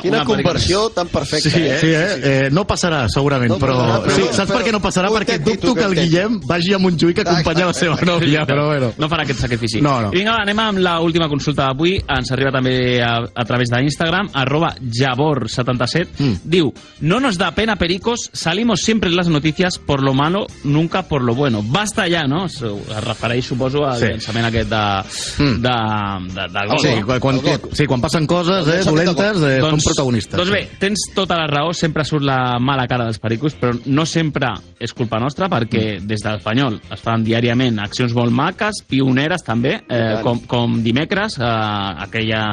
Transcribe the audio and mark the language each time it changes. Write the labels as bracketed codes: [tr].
[ca] Quina conversió tan perfecta, sí, eh? Sí, no passarà, segurament, no, però sí, saps per què no passarà? Perquè dubto que el Guillem vagi amb un Juic a acompanyar la seva nòvia, però bueno. No farà aquest sacrifici. No. Vinga, va, anem amb l'última consulta d'avui. Ens arriba també a través d'Instagram, @javor77. [es] Diu, no nos da pena, pericos, salimos siempre en las noticias por lo malo, nunca por lo bueno. Basta ya, no? [ca] Es refereix, suposo, al llançament aquest de gol. Sí, quan passen coses dolentes, doncs, com protagonistes. Doncs bé, tens tota la raó, sempre surt la mala cara dels pericos, però no sempre és culpa nostra, perquè des de l'Espanyol es fan diàriament accions molt maques, pioneres també, com dimecres, aquella